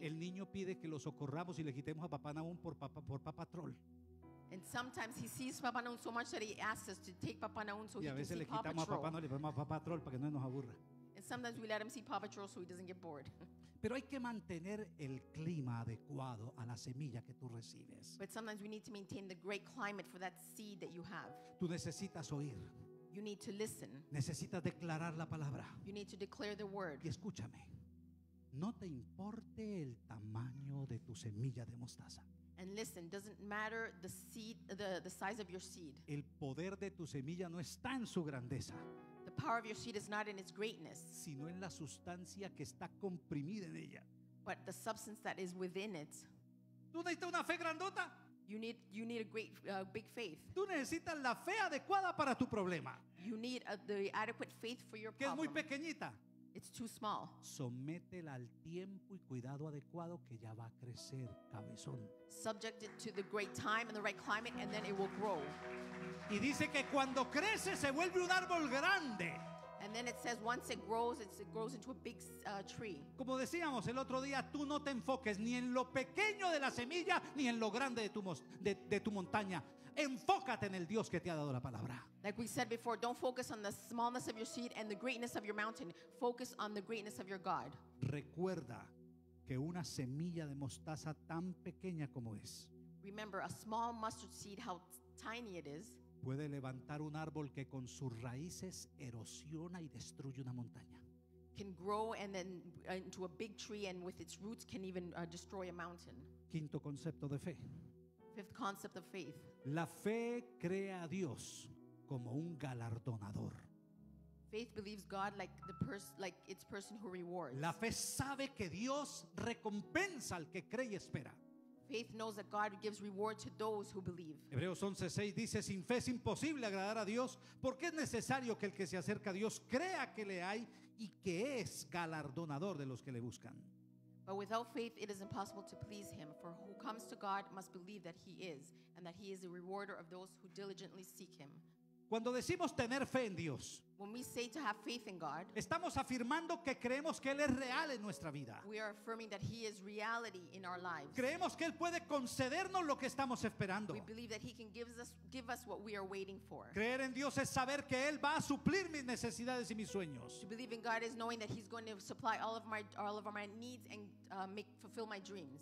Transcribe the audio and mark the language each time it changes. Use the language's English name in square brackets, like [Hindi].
[Spanish] El niño pide que lo socorramos y le quitemos a Papá Nahum por Papá Troll. [English] And sometimes he sees Papá Nahum so much that he asks us to take Papá Nahum so he can see Papá Troll. [Spanish] Y a veces le quitamos a Papá Nahum y le ponemos a Papá Troll para que no nos aburra. [English] And sometimes we let him see Papá Troll so he doesn't get bored. [Spanish] Pero hay que mantener el clima adecuado a la semilla que tú recibes. [English] But sometimes we need to maintain the great climate for that seed that you have. [Spanish] Tú necesitas oír. [English] You need to listen. [Spanish] Necesitas declarar la palabra. [English] You need to declare the word. [Spanish] Y escúchame. No te importe el tamaño de tu semilla de mostaza. [English] And listen, doesn't matter the size of your seed. [Spanish] El poder de tu semilla no está en su grandeza. [English] The power of your seed is not in its greatness, [Spanish] sino en la sustancia que está comprimida en ella. [English] But the substance that is within it. [Spanish] ¿Tú necesitas una fe grandota? [English] You need a great big faith. [Spanish] Tú necesitas la fe adecuada para tu problema. [English] You need the adequate faith for your [Spanish] que [English] problem. [Spanish] Que es muy pequeñita. [English] It's too small. [Spanish] Sométela al tiempo y cuidado adecuado que ya va a crecer, cabezón. [English] Subject it to the great time and the right climate and then it will grow. [Spanish] Y dice que cuando crece se vuelve un árbol grande. [English] And then it says once it grows into a big tree. [Spanish] Como decíamos el otro día, tú no te enfoques ni en lo pequeño de la semilla ni en lo grande de tu montaña. Enfócate en el Dios que te ha dado la palabra. [English] Like we said before, don't focus on the smallness of your seed and the greatness of your mountain. Focus on the greatness of your God. [Spanish] Recuerda que una semilla de mostaza tan pequeña como es. [English] Remember a small mustard seed, how tiny it is. [Spanish] Puede levantar un árbol que con sus raíces erosiona y destruye una montaña. [English] Can grow and then into a big tree and with its roots can even destroy a mountain. [Spanish] Quinto concepto de fe. [English] Fifth concept of faith. [Spanish] La fe cree a Dios como un galardonador. [English] Faith believes God like its person who rewards. [Spanish] La fe sabe que Dios recompensa al que cree y espera. [English] Faith knows that God gives reward to those who believe. [Spanish] Hebreos 11:6 dice, sin fe es imposible agradar a Dios, porque es necesario que el que se acerca a Dios crea que le hay y que es galardonador de los que le buscan. [English] But without faith it is impossible to please him, for who comes to God must believe that he is, and that he is a rewarder of those who diligently seek him. [Spanish] Cuando decimos tener fe en Dios, [English] when we say to have faith in God, [Spanish] estamos afirmando que creemos que Él es real en nuestra vida. [English] We are affirming that he is reality in our lives. [Spanish] Creemos que Él puede concedernos lo que estamos esperando. [English] We believe that he can give us what we are waiting for. [Spanish] Creer en Dios es saber que Él va a suplir mis necesidades y mis sueños. [English] To believe in God is knowing that he's going to supply all of my needs and fulfill my dreams.